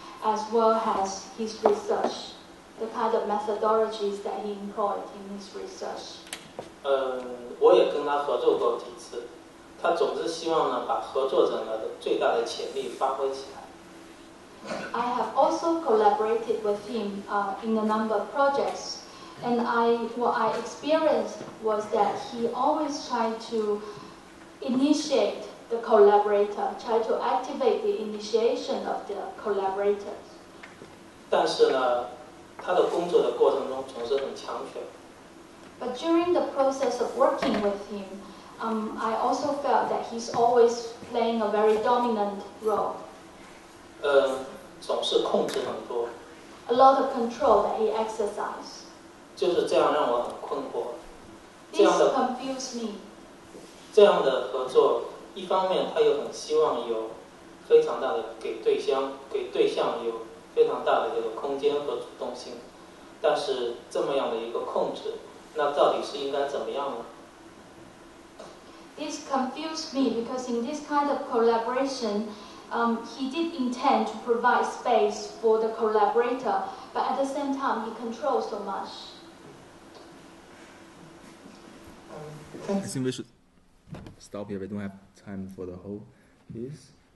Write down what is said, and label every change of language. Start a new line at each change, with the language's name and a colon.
English: As well as his research, the kind of methodologies that he employed in his research.
Chinese: 我也跟他合作过几次，他总是希望呢把合作者呢的最大的潜力发挥起来。
English: I have also collaborated with him in a number of projects, and what I experienced was that he always tried to initiate. The collaborator try to activate the initiation of the collaborators.
Chinese: 但是呢，他的工作的过程中总是很强权。
English: But during the process of working with him, I also felt that he's always playing a very dominant role.
Chinese: 总是控制很多。
English: A lot of control that he exercises.
Chinese: 就是这样让我很困惑。
English: This confused me.
Chinese: 这样的合作。一方面他又很希望有非常大的给对象有非常大的这个空间和主动性，但是这么样的一个控制，那到底是应该怎么样呢？
English: This confused me because in this kind of collaboration, he did intend to provide space for the collaborator, but at the same time he controls so much. I think we should stop here. We don't have. Time for the whole piece.